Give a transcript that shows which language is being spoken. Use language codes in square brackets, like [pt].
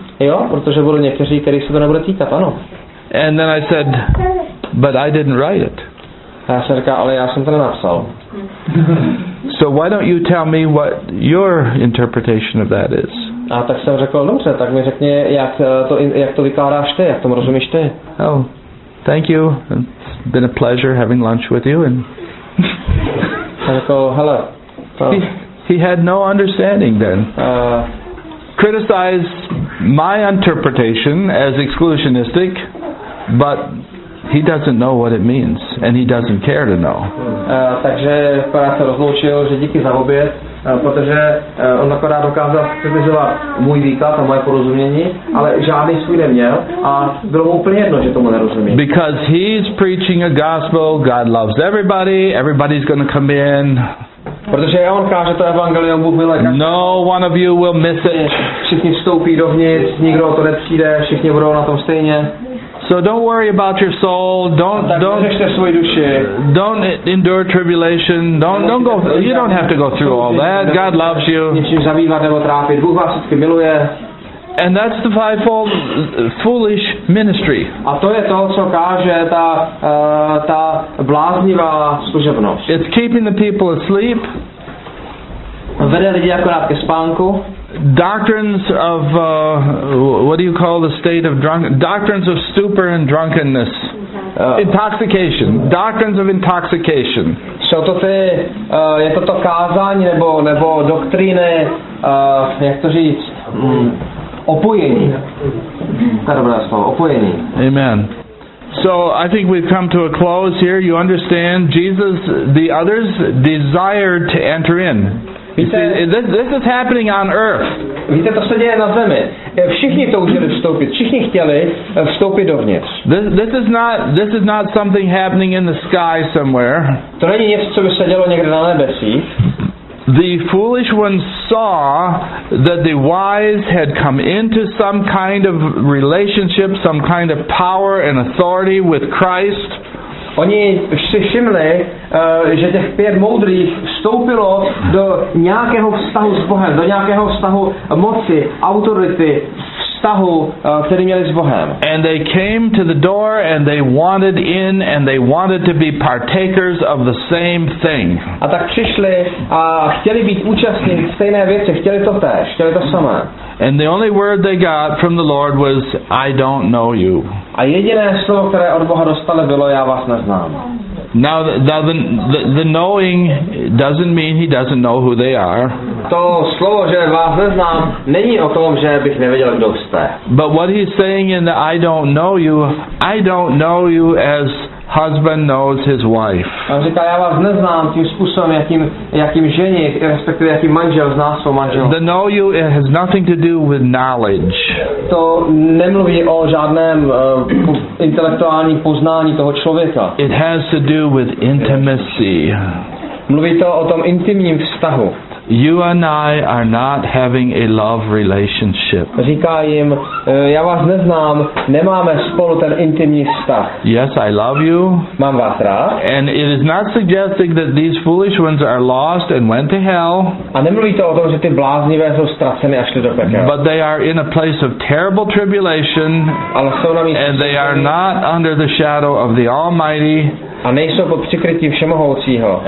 [cs] Jo, protože budou někteří, kterých se to nebude týkat, ano. [en] And then I said, but I didn't write it. [cs] A já jsem říkal, ale já jsem to nenapsal. [en] So why don't you tell me what your interpretation of that is? [cs] A tak jsem řekl, dobře, tak mi řekni, jak to vykládáš ty, jak tomu rozumíš ty. [en] Oh. Thank you. It's been a pleasure having lunch with you. And hello. He had no understanding then. Criticized my interpretation as exclusionistic, but he doesn't know what it means, and he doesn't care to know. [cs] Takže akorát se rozloučil, že díky za oběd, protože on akorát dokázal kritizovat můj výklad a moje porozumění, ale žádný svůj neměl a bylo mu úplně jedno, že tomu nerozumí. [en] Because he's preaching a gospel, God loves everybody, everybody's going to come in. [cs] Protože on káže to evangelium, Bůh miluje. [en] No one of you will miss it. [cs] Všichni vstoupí dovnitř, nikdo to nepřijde, všichni budou na tom stejně. [en] So don't worry about your soul. Don't endure tribulation. Don't go. You don't have to go through all that. God loves you. And that's the fivefold foolish ministry. [cs] A to je to, co káže ta bláznivá služebnost. [en] It's keeping the people asleep. [cs] Vede lidi akorát ke spánku. [en] Doctrines of what do you call the state of drunk? Doctrines of stupor and drunkenness, intoxication. Doctrines of intoxication. [cs] Jsou to ty, je to kázání nebo doktríny, jak to říct, opojení. Dobré slovo, opojení. Amen. [en] So I think we've come to a close here. You understand, Jesus, the others desired to enter in. [cs] Víte, [en] see, this is happening on earth. [cs] Víte, to se děje na zemi. Všichni toužili vstoupit. Všichni chtěli vstoupit dovnitř. [en] This is not something happening in the sky somewhere. [cs] To není něco, co by se dělo někde na nebesích. [en] The foolish ones saw that the wise had come into some kind of relationship, some kind of power and authority with Christ. [cs] Oni si všimli, že těch pět moudrých vstoupilo do nějakého vztahu s Bohem, do nějakého vztahu moci, autority, vztahu, který měli s Bohem. [en] And they came to the door and they wanted in and they wanted to be partakers of the same thing. [cs] A tak přišli a chtěli být účastní stejné věci, chtěli to též, chtěli to samé. [en] And the only word they got from the Lord was, I don't know you. [cs] A jediné slovo, které od Boha dostali, bylo, já vás neznám. [en] Now the knowing doesn't mean he doesn't know who they are. [cs] To slovo, že vás neznám, není o tom, že bych nevěděl, kdo jste. [en] But what he's saying in the I don't know you as husband knows his wife. [cs] On říká, já vás neznám tím způsobem, jakým ženě, respektive jakým manžel zná svou manželku. [en] The know you has nothing to do with knowledge. [cs] To nemluví o žádném intelektuálním poznání toho člověka. [en] It has to do with intimacy. [cs] Mluví to o tom intimním vztahu. [en] You and I are not having a love relationship. [cs] Říká jim, já vás neznám, nemáme spolu ten intimní vztah. [en] Yes, I love you. [cs] Mám vás rád. [en] And it is not suggesting that these foolish ones are lost and went to hell. [cs] A nemluví to o tom, že ty bláznivé jsou ztraceny a šli do pekla. [en] But they are in a place of terrible tribulation. [cs] Ale jsou na místě, [en] and they are not under the shadow of the Almighty. [cs] A nejsou pod přikrytím všemohoucího.